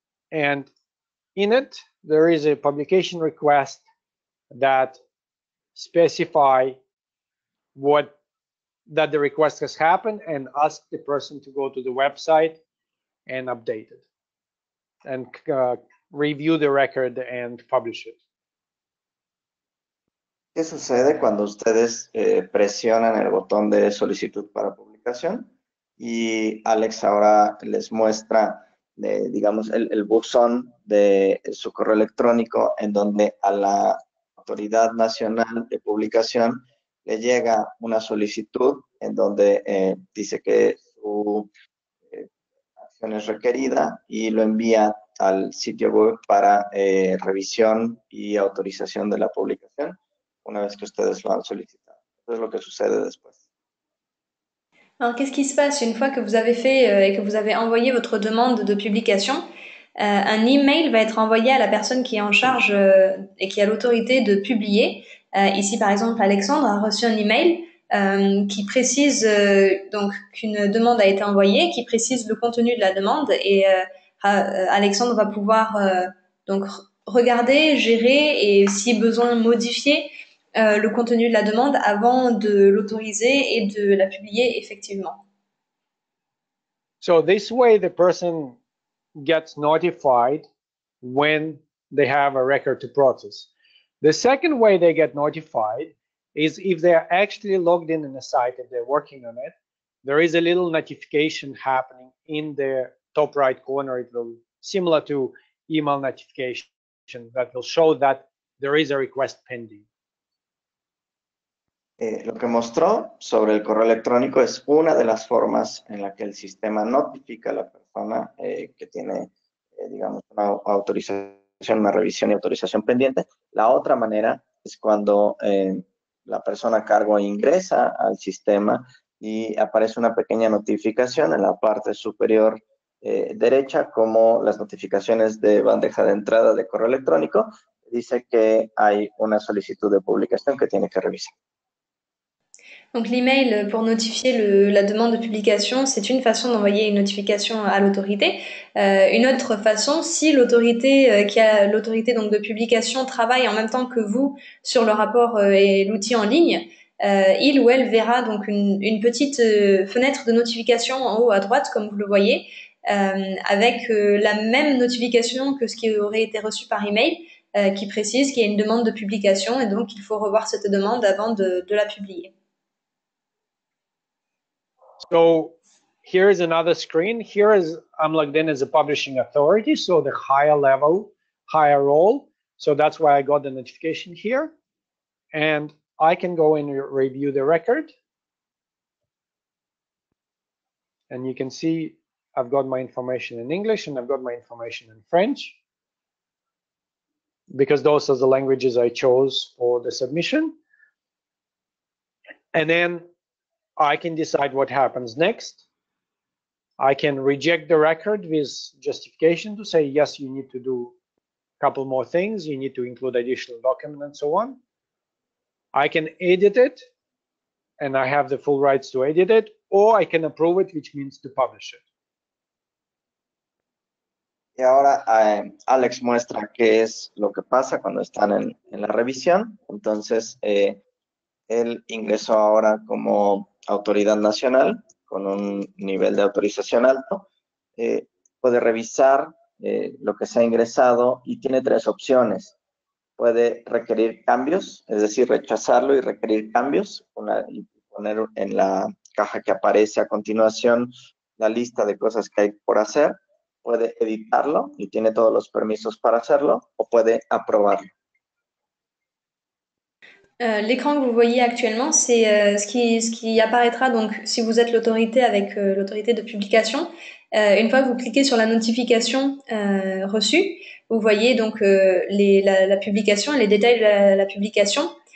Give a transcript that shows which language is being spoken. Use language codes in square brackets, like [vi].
[en] And in it, there is a publication request that specify what that the request has happened and ask the person to go to the website and update it and review the record and publish it. [es] ¿Qué sucede cuando ustedes presionan el botón de solicitud para publicación? Y Alex ahora les muestra, digamos, el buzón de su correo electrónico en donde a la Autoridad Nacional de Publicación le llega una solicitud en donde dice que su acción es requerida y lo envía al sitio web para revisión y autorización de la publicación una vez que ustedes lo han solicitado. Eso es lo que sucede después. [fr] Alors, qu'est-ce qui se passe une fois que vous avez fait et que vous avez envoyé votre demande de publication? Un email va être envoyé à la personne qui est en charge et qui a l'autorité de publier. Ici, par exemple, Alexandre a reçu un email qui précise donc qu'une demande a été envoyée, qui précise le contenu de la demande et Alexandre va pouvoir donc regarder, gérer et, si besoin, modifier le contenu de la demande avant de l'autoriser et de la publier effectivement. [en] So this way the person gets notified when they have a record to process. The second way they get notified is if they're actually logged in a site and they're working on it, there is a little notification happening in the top right corner. It will similar to email notification that will show that there is a request pending. [es] Lo que mostró sobre el correo electrónico es una de las formas en la que el sistema notifica a la persona que tiene, digamos, una autorización, una revisión y autorización pendiente. La otra manera es cuando la persona a cargo ingresa al sistema y aparece una pequeña notificación en la parte superior derecha, como las notificaciones de bandeja de entrada de correo electrónico, dice que hay una solicitud de publicación que tiene que revisar. [fr] Donc l'email pour notifier la demande de publication, c'est une façon d'envoyer une notification à l'autorité. Une autre façon, si l'autorité qui a l'autorité donc de publication travaille en même temps que vous sur le rapport et l'outil en ligne, il ou elle verra donc une petite fenêtre de notification en haut à droite, comme vous le voyez, avec la même notification que ce qui aurait été reçu par email, qui précise qu'il y a une demande de publication et donc il faut revoir cette demande avant de la publier. [en] So here is another screen. Here is, I'm logged in as a publishing authority, so the higher level, higher role. So that's why I got the notification here. And I can go and review the record. And you can see I've got my information in English and I've got my information in French, because those are the languages I chose for the submission. And then I can decide what happens next. I can reject the record with justification to say, yes, you need to do a couple more things. You need to include additional document and so on. I can edit it and I have the full rights to edit it, or I can approve it, which means to publish it. [es] Y ahora Alex muestra qué es lo que pasa cuando están en la revisión. Entonces, él ingresó ahora como autoridad nacional con un nivel de autorización alto. Puede revisar lo que se ha ingresado y tiene tres opciones. Puede requerir cambios, es decir, rechazarlo y requerir cambios. Y poner en la caja que aparece a continuación la lista de cosas que hay por hacer. Puede editarlo y tiene todos los permisos para hacerlo, o puede aprobarlo. [fr] L'écran que vous voyez actuellement, c'est ce qui apparaîtra donc si vous êtes l'autorité avec l'autorité de publication. Une fois que vous cliquez sur la notification reçue, vous voyez donc la publication, les détails de la publication.